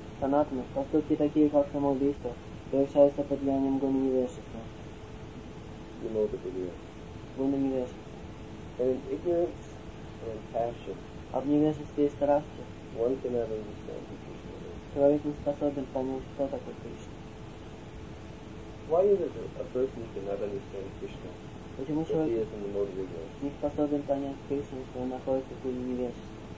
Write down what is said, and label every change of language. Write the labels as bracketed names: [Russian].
[Russian] Sanatana, поступки такие, как самоубийство, превращается под влиянием Гуны Невежества. [English] You know what it is. [Russian] Гуны Невежества. [English] And in ignorance and passion, [Russian] а в невежестве и страсти, [English] one cannot understand who Krishna is. [Russian] Человек не способен понять, кто такой Кришна. [English] Why is it a person who cannot understand Krishna? [Russian] Почему человек не способен понять Кришну, что он находится в Гуне Невежества?